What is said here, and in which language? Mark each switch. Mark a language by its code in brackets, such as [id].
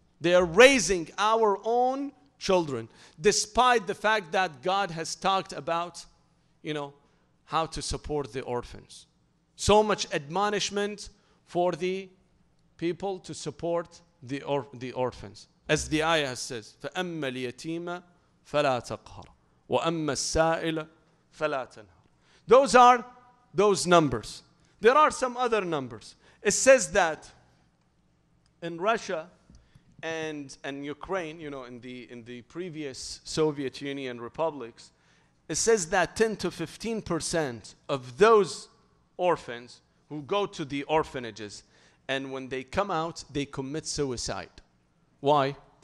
[en] They are raising our own children, despite the fact that God has talked about, you know, how to support the orphans. So much admonishment for the people to support the orphans. As the ayah says, [ar] فَأَمَّا الْيَتِيمَ فَلَا تَقْهَرْ وَأَمَّا السَّائِلَ فَلَا تَنْهَرْ. [en] Those are those numbers. There are some other numbers. It says that in Russia and Ukraine, you know, in the previous Soviet Union republics, it says that 10 to 15% of those orphans who go to the orphanages, and when they come out, they commit suicide. Why?